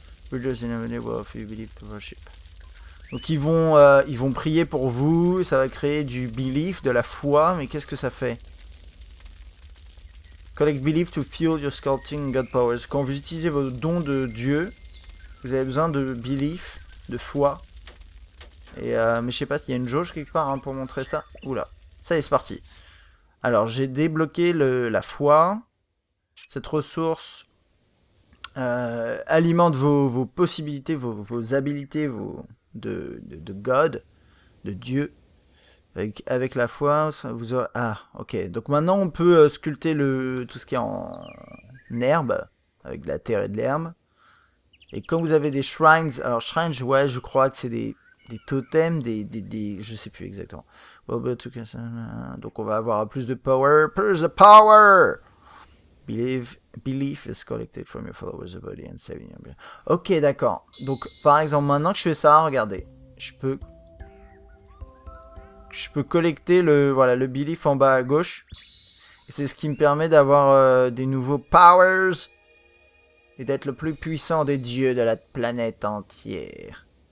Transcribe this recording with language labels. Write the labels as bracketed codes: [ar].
[en] Breeders in a way will offer you belief to worship. [fr] Donc ils vont prier pour vous. Ça va créer du belief, de la foi. Mais qu'est-ce que ça fait? [en] Collect belief to fuel your sculpting God powers. [fr] Quand vous utilisez vos dons de Dieu, vous avez besoin de belief, de foi. Mais je sais pas s'il y a une jauge quelque part hein, pour montrer ça. Oula. Ça y est, c'est parti. Alors, j'ai débloqué la foi. Cette ressource alimente vos possibilités, vos habiletés, de God, de Dieu. Avec la foi, vous aurez. Ah, ok. Donc maintenant, on peut sculpter tout ce qui est en herbe, avec de la terre et de l'herbe. Et quand vous avez des shrines, alors shrines, ouais, je crois que c'est des totems, des je sais plus exactement. Donc on va avoir plus de power, plus de power! [en] Belief is collected from your followers' body and saving your. [fr] Ok, d'accord. Donc, par exemple, maintenant que je fais ça, regardez. Je peux collecter le, voilà, le belief en bas à gauche. C'est ce qui me permet d'avoir des nouveaux powers et d'être le plus puissant des dieux de la planète entière.